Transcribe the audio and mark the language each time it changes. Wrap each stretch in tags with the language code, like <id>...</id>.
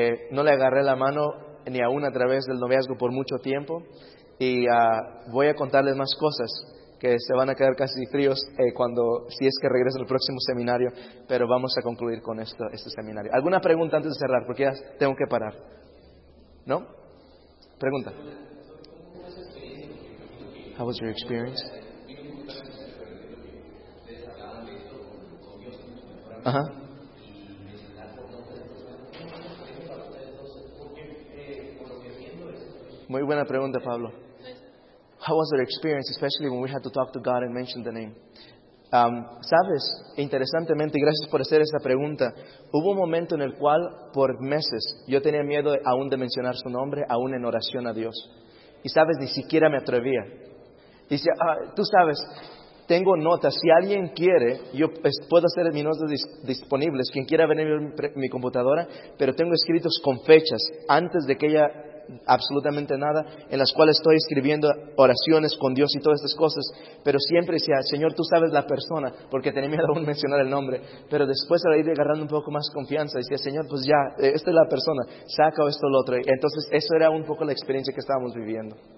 <es>No le agarré la mano ni aún a través del noviazgo por mucho tiempo. Y voy a contarles más cosas que se van a quedar casi fríos cuando, si es que regresa el próximo seminario, pero vamos a concluir con esto, este seminario. ¿Alguna pregunta antes de cerrar? Porque ya tengo que parar. ¿No? Pregunta.</es> <en>How was your experience?</en> <es>Ajá. Muy buena pregunta, Pablo.</es> <en>How was their experience, especially when we had to talk to God and mention the name?</en> <es>Sabes, interesantemente, y gracias por hacer esta pregunta, hubo un momento en el cual por meses yo tenía miedo aún de mencionar su nombre, aún en oración a Dios. Y sabes, ni siquiera me atrevía. Dice, tú sabes, tengo notas, si alguien quiere, yo puedo hacer mis notas disponibles, quien quiera venir a mi computadora, pero tengo escritos con fechas, antes de que ella, absolutamente nada, en las cuales estoy escribiendo oraciones con Dios y todas estas cosas, pero siempre decía, Señor, tú sabes la persona, porque tenía miedo aún mencionar el nombre, pero después al ir agarrando un poco más confianza, decía, Señor, pues ya, esta es la persona, saca esto o lo otro, entonces eso era un poco la experiencia que estábamos viviendo.</es>